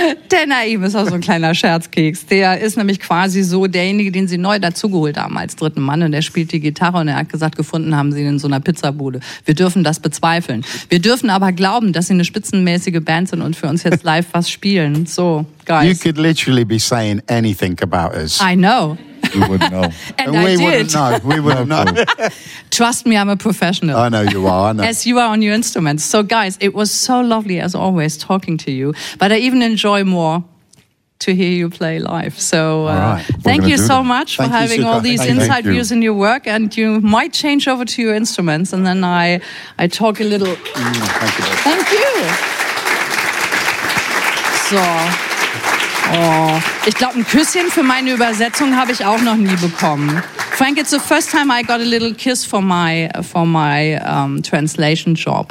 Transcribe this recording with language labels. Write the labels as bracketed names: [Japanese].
[German] Der Naeem ist auch so ein kleiner Scherzkeks. Der ist nämlich quasi so derjenige, den sie neu dazugeholt haben als dritten Mann. Und der spielt die Gitarre und er hat gesagt, gefunden haben sie ihn in so einer Pizzabude. Wir dürfen das bezweifeln. Wir dürfen aber glauben, dass sie eine spitzenmäßige Band sind und für uns jetzt live was spielen. [English] So, guys. You could literally be saying anything about us. I know. We wouldn't know. And we did. Wouldn't know. We wouldn't know. Trust me, I'm a professional. I know you are. I know. As you are on your instruments. So, guys, it was so lovely, as always, talking to you. But I even enjoy more to hear you play live. So, thank you so much for having all these inside views in your work. And you might change over to your instruments. And then I talk a little. Thank you. So. [German] Oh, ich glaube, ein Küsschen für meine Übersetzung habe ich auch noch nie bekommen. [English] Frank, it's the first time I got a little kiss for my translation job.